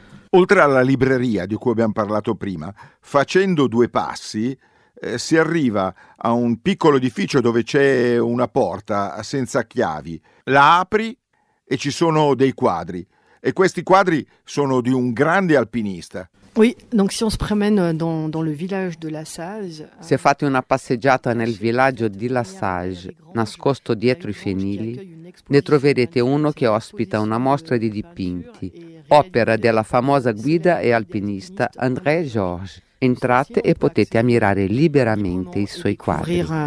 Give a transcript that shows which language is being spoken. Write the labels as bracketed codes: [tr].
[it] Oltre alla libreria di cui abbiamo parlato prima, facendo due passi, si arriva a un piccolo edificio dove c'è una porta senza chiavi. La apri e ci sono dei quadri. E questi quadri sono di un grande alpinista. [fr] Oui, donc si on se promène dans le village de Lassage. [it] Si è fatta una passeggiata nel villaggio di Lassage, nascosto dietro i fienili, ne troverete uno che ospita una mostra di dipinti, opera della famosa guida e alpinista André Georges. Entrate e potete ammirare liberamente i suoi quadri.